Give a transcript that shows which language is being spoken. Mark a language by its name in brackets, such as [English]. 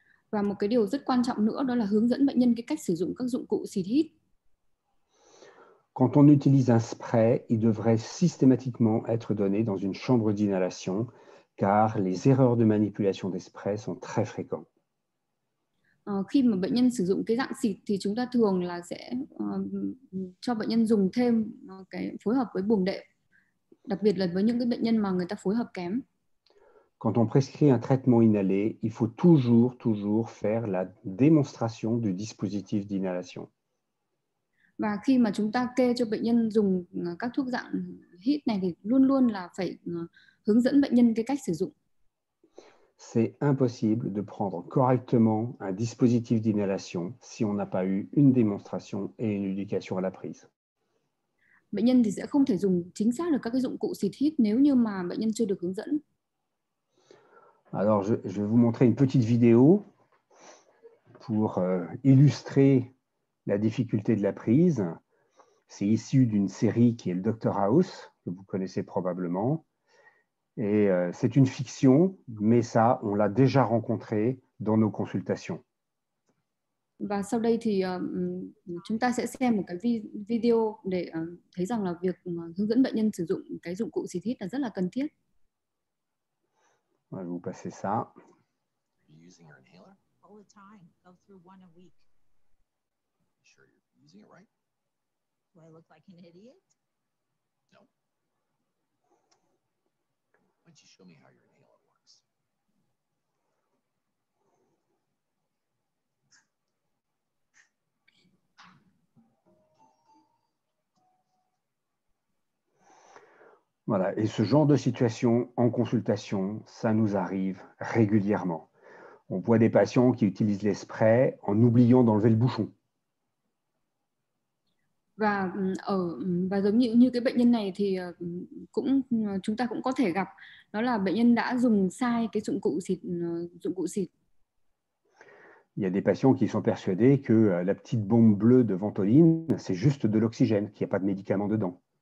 [Vietnamese] Và một cái điều rất quan trọng nữa đó là hướng dẫn bệnh nhân cái cách sử dụng các dụng cụ xịt hít. [French] Quand on utilise un spray, il devrait systématiquement être donné dans une chambre d'inhalation, car les erreurs de manipulation des sprays sont très fréquentes. [Vietnamese] Khi mà bệnh nhân sử dụng cái dạng xịt thì chúng ta thường là sẽ cho bệnh nhân dùng thêm cái phối hợp với buồng đệm, đặc biệt là với những cái bệnh nhân mà người ta phối hợp kém. [French] Quand on prescrit un traitement inhalé, il faut toujours, toujours faire la démonstration du dispositif d'inhalation. [Vietnamese] Và khi mà chúng ta kê cho bệnh nhân dùng các thuốc dạng hít này thì luôn luôn là phải hướng dẫn bệnh nhân cái cách sử dụng. [French] C'est impossible de prendre correctement un dispositif d'inhalation si on n'a pas eu une démonstration et une éducation à la prise. [Vietnamese] Bệnh nhân thì sẽ không thể dùng chính xác được các cái dụng cụ xịt hít nếu như mà bệnh nhân chưa được hướng dẫn. [French] Alors, je vais vous montrer une petite vidéo pour illustrer la difficulté de la prise. C'est issu d'une série qui est le Dr House. que vous connaissez probablement. Et c'est une fiction, mais ça, on l'a déjà rencontré dans nos consultations. [Vietnamese] Và sau đây thì chúng ta sẽ xem một cái video để thấy rằng là việc hướng dẫn bệnh nhân sử dụng cái dụng cụ Zitit là rất là cần thiết. [French] On va vous passer ça. [English] Are you using your inhaler? All the time. Go through one a week. You sure you're using it right? Do I look like an idiot? No. Why don't you show me how your inhaler works? [French] Voilà, et ce genre de situation en consultation, ça nous arrive régulièrement. On voit des patients qui utilisent les sprays en oubliant d'enlever le bouchon. [Vietnamese] Và giống như như cái bệnh nhân này thì cũng chúng ta cũng có thể gặp đó là bệnh nhân đã dùng sai cái dụng cụ xịt. [French] Y a des patients qui sont persuadés que la petite bombe bleue de Ventoline, c'est juste de l'oxygène, qu'il n'y a pas de médicament dedans.